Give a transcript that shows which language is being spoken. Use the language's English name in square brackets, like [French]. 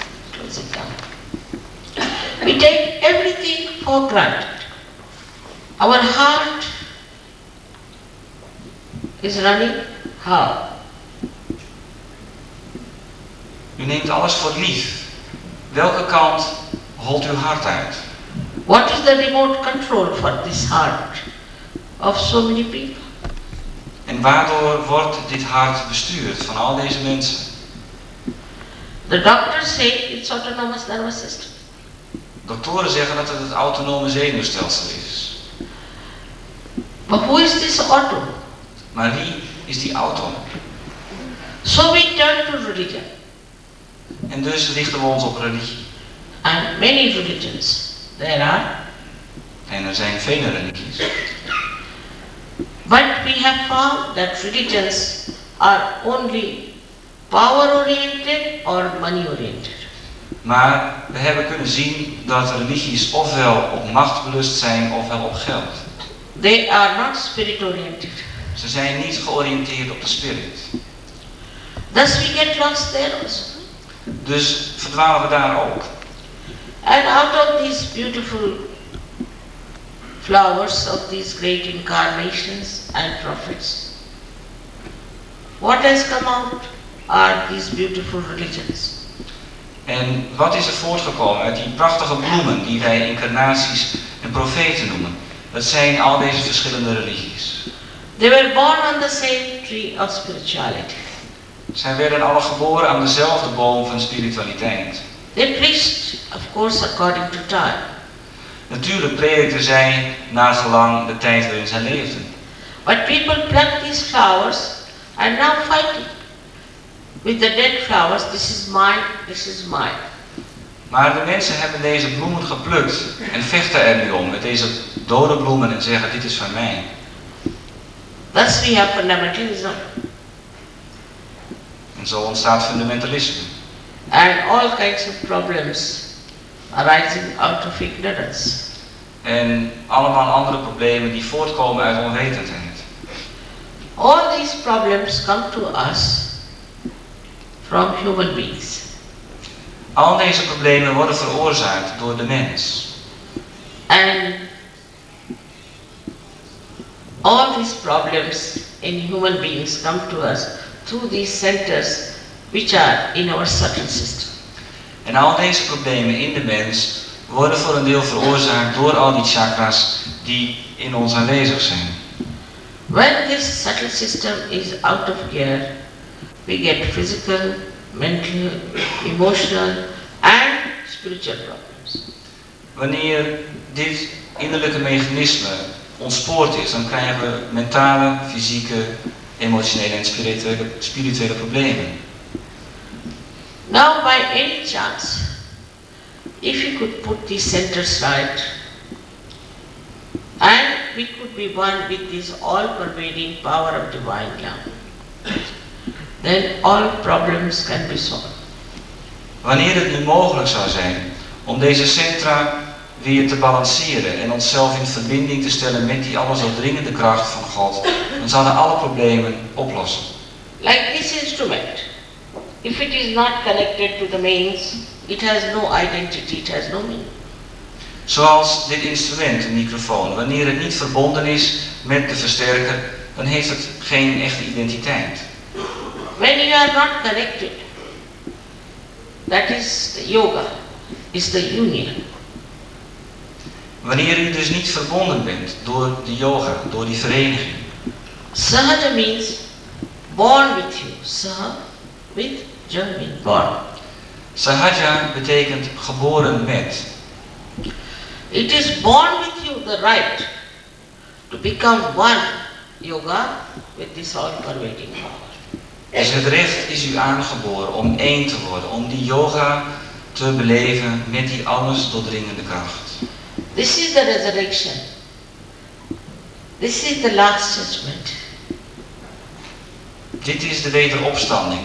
[English] Close it down. We take everything for granted. Our heart is running how? [Dutch] U neemt alles voor lief. Welke kant holt uw hart uit? [English] What is the remote control for this heart of so many people? [Dutch] En waardoor wordt dit hart bestuurd van al deze mensen? [English] The doctors say it's autonomous nervous system. [Dutch] Doktoren zeggen dat het autonome zenuwstelsel is. [English] But who is this auto? [Dutch] Maar wie is die auto? [English] So we turn to religion. [Dutch] En dus richten we ons op religie. [English] And many religions there are. [Dutch] En er zijn vele religies. [English] But we have found that religions are only power-oriented or money-oriented. [Dutch] Maar we hebben kunnen zien dat religies ofwel op macht belust zijn ofwel op geld. [English] They are not spirit-oriented. [Dutch] Ze zijn niet georiënteerd op de spirit. [English] Thus we get lost there also. [Dutch] Dus verdwalen we daar ook. [English] And out of these beautiful flowers of these great incarnations and prophets, what has come out are these beautiful religions. [Dutch] En wat is er voortgekomen uit die prachtige bloemen die wij incarnaties en profeten noemen? Dat zijn al deze verschillende religies. [English] They were born on the same tree of spirituality. [Dutch] Zij werden alle geboren aan dezelfde boom van spiritualiteit. [English] They preached, of course, according to time. [Dutch] Natuurlijk predikten zij naar gelang de tijd waarin zij leefden. [English] But people pluck these flowers and now fight it. With the dead flowers, this is mine, this is mine. [Dutch] Maar de mensen hebben deze bloemen geplukt en vechten er nu om met deze dode bloemen en zeggen dit is van mij. [English] Thus we have fundamentalism. [Dutch] En zo ontstaat fundamentalisme. [English] And all kinds of problems arising out of ignorance. [Dutch] En allemaal andere problemen die voortkomen uit onwetendheid. [English] All these problems come to us from human beings. [Dutch] Al deze problemen worden veroorzaakt door de mens. [English] And all these problems in human beings come to us through these centers which are in our subtle system. [Dutch] En al deze problemen in de mens worden voor een deel veroorzaakt door al die chakras die in ons aanwezig zijn. [English] When this subtle system is out of gear, we get physical, mental, emotional and spiritual problems. [Dutch] Wanneer dit innerlijke mechanisme ontspoord is, dan krijgen we mentale, fysieke, emotionele en spirituele problemen. [English] Now, by any chance, if you could put these centers right, and we could be one with this all-pervading power of divine love, then all problems can be solved. [Dutch] Wanneer het nu mogelijk zou zijn om deze centra weer te balanceren en onszelf in verbinding te stellen met die alles doordringende kracht van God, dan zouden alle problemen oplossen. [English] Like this instrument. If it is not connected to the mains, it has no identity, it has no meaning. [Dutch] Zoals dit instrument, een microfoon, wanneer het niet verbonden is met de versterker, dan heeft het geen echte identiteit. [English] When you are not connected, that is the yoga, is the union. [Dutch] Wanneer u dus niet verbonden bent door de yoga, door die vereniging. [English] Sahaja means born with you, sah. With German born. [Dutch] Sahaja betekent geboren met. [English] It is born with you the right to become one yoga with this all-pervading power. [Dutch] Dus het recht is u aangeboren om één te worden, om die yoga te beleven met die alles doordringende kracht. [English] This is the resurrection. This is the last judgment. [Dutch] Dit is de wederopstanding.